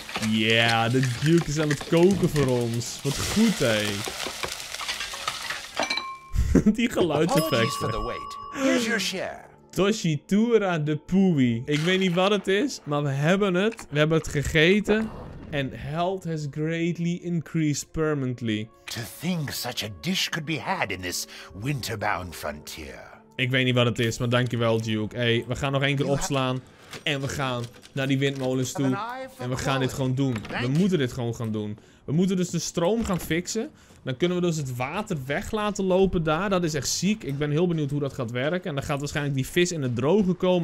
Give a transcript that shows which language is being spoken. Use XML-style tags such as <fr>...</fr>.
<nl>Ja, de Duke is aan het koken voor ons. Wat goed, hé. Die geluidseffecten.</nl> <en>Here's your share. Toshitura de Pooey.</en> <nl>Ik weet niet wat het is, maar we hebben het. We hebben het gegeten.</nl> <en>And health has greatly increased permanently. To think such a dish could be had in this winterbound frontier.</en> <nl>Ik weet niet wat het is, maar dankjewel, Duke. Hey, we gaan nog één keer opslaan. En we gaan naar die windmolens toe. En we gaan dit gewoon doen. We moeten dit gewoon gaan doen. We moeten dus de stroom gaan fixen. Dan kunnen we dus het water weg laten lopen daar. Dat is echt ziek. Ik ben heel benieuwd hoe dat gaat werken. En dan gaat waarschijnlijk die vis in het droge komen.</nl>